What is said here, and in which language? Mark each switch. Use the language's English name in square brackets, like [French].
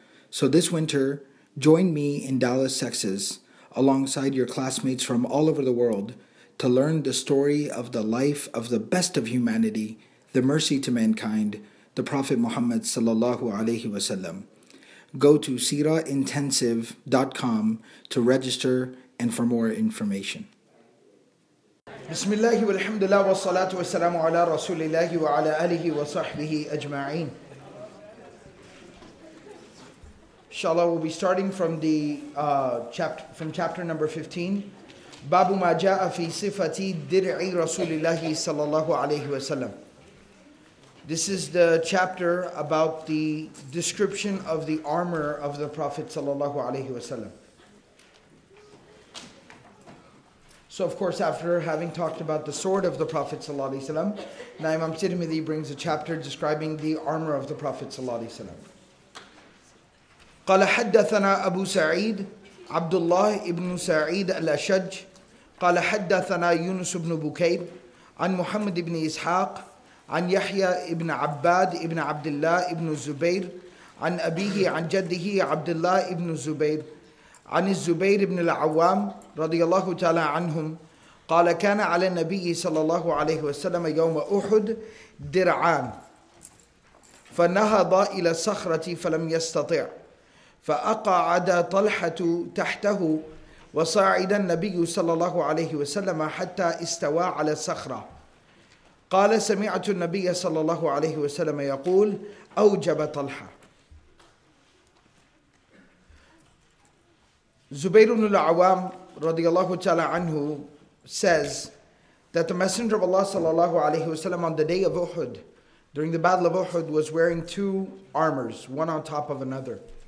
[English] So this winter, join me in Dallas, Texas, alongside your classmates from all over the world to learn the story of the life of the best of humanity, the mercy to mankind, the Prophet Muhammad ﷺ. Go to siraintensive.com to register and for more information. [Arabic] بسم الله والحمد لله والصلاة والسلام على رسول الله وعلى آله وصحبه أجمعين. [English] Inshallah, we'll be starting from the chapter number 15. [Arabic] باب ما جاء في صفة درع رسول الله صلى الله عليه وسلم. [English] This is the chapter about the description of the armor of the Prophet [Arabic] صلى الله عليه وسلم. [English] So of course, after having talked about the sword of the Prophet ﷺ, now Imam Tirmidhi brings a chapter describing the armor of the Prophet ﷺ. [Arabic] قال حدثنا أبو سعيد عبد الله ابن سعيد الأشج قال حدثنا يونس بن بكير عن محمد بن إسحاق عن يحيى ابن عباد ابن عبد الله ابن الزبير عن أبيه عن جده عبد الله ابن الزبير عن الزبير بن العوام رضي الله تعالى عنهم قال كان على النبي صلى الله عليه وسلم يوم أحد درعان فنهض إلى الصخرة فلم يستطع فأقعد طلحة تحته وصعد النبي صلى الله عليه وسلم حتى استوى على الصخرة قال سمعت النبي صلى الله عليه وسلم يقول أوجب طلحة. [English] Zubayr ibn al-Awwam radiyallahu ta'ala anhu says that the Messenger of Allah sallallahu alayhi wasallam on the day of Uhud, during the Battle of Uhud, was wearing two armors, one on top of another.